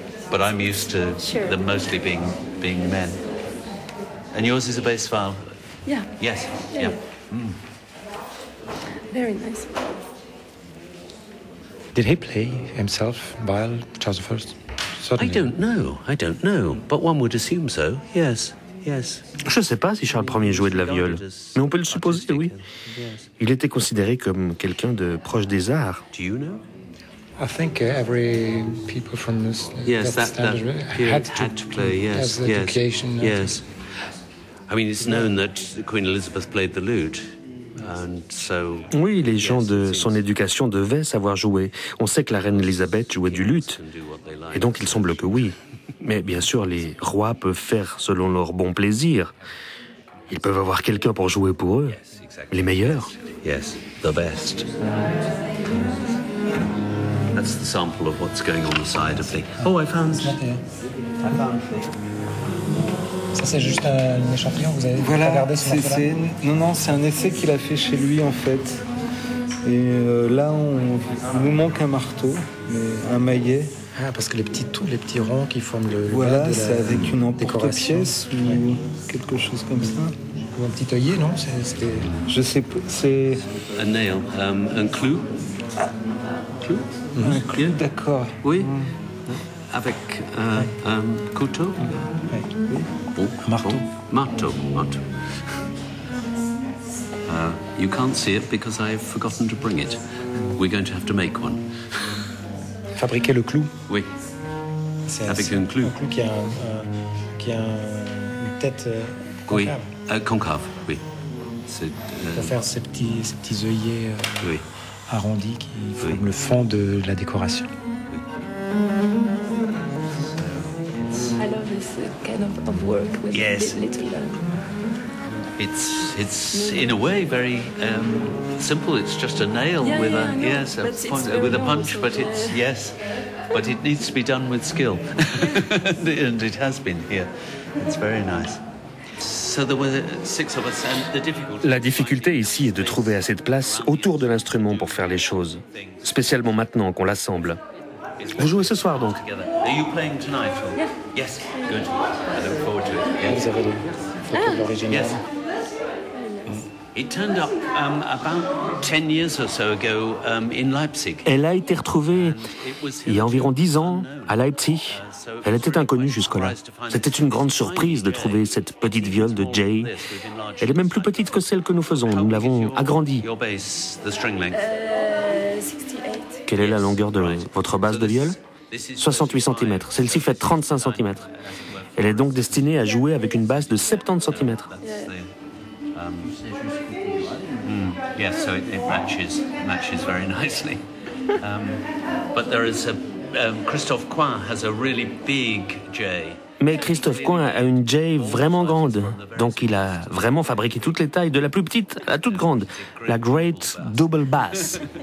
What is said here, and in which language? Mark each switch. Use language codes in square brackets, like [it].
[en] But I'm used to them mostly being men. And yours is a bass viol? Yeah. Yes. Yeah. Yeah. Very nice. Did he play himself viol, Charles I? Certainly. I don't know. But one would assume so. Yes. Yes. [fr] Je ne sais pas si Charles Ier jouait de la viole, mais on peut le supposer, oui. Il était considéré comme quelqu'un de proche des arts. [en] Do you know? I think every people from this had to play. Yes, have the education. Yes, I mean it's known that Queen Elizabeth played the lute, and so. [fr] Oui, les gens de son éducation devaient savoir jouer. On sait que la reine Elizabeth jouait du luth, et donc il semble que oui. Mais bien sûr, les rois peuvent faire selon leur bon plaisir. Ils peuvent avoir quelqu'un pour jouer pour eux, les meilleurs. [en] Yes, the best. That's the sample of what's going on the side of the... Oh, I found... [fr] Ça, c'est juste un échantillon, vous avez voilà, regardé ce matin. Voilà, non, non, c'est un essai qu'il a fait chez lui, en fait. Et là, il nous manque un marteau, mais un maillet. Ah, parce que les petits tours, les petits ronds qui forment le... Voilà, de c'est la, avec une emporte-pièce ou quelque chose comme ça. Ou un petit œillet, non c'est... Je sais pas, c'est... Un nail, un clou. Ah. Clou mm-hmm. Un clou, d'accord. Oui, mm. Avec un couteau. Oui, bon. Un marteau. Bon. Marteau. [en] You can't see it because I've forgotten to bring it. We're going to have to make one. [fr] Fabriquer le clou. Oui. C'est avec un clou. Un clou qui a, qui a une tête concave. Oui, concave, oui. C'est, pour faire ces petits œillets oui. arrondis qui forment oui. le fond de la décoration. [en] Oui. I love this kind of work with little... It's in a way very simple. It's just a nail with a punch, but it's yes, but it needs to be done with skill, and it has been here. It's very nice. So there were six of us, and the difficulty. [fr] La difficulté ici est de trouver assez de place autour de l'instrument pour faire les choses, spécialement maintenant qu'on l'assemble. Vous jouez ce soir donc? [en] Are you playing tonight? Or... Yes. Good. I look forward to it. [fr] Vous avez le l'original. [en] Yes. It turned up about 10 years or so ago in Leipzig. [fr] Elle a été retrouvée il y a environ 10 ans à Leipzig. Elle était inconnue jusque-là. C'était une grande surprise de trouver cette petite viole de Jay. Elle est même plus petite que celle que nous faisons. Nous l'avons agrandie. 68. Quelle est la longueur de votre basse de viole? 68 cm. Celle-ci fait 35 cm. Elle est donc destinée à jouer avec une basse de 70 cm. [en] Yes, so it matches very nicely. But there is a Christophe Coin has a really big J. [fr] Mais Christophe Coin a une J vraiment grande, donc il a vraiment fabriqué toutes les tailles, de la plus petite à la toute grande, la Great Double Bass.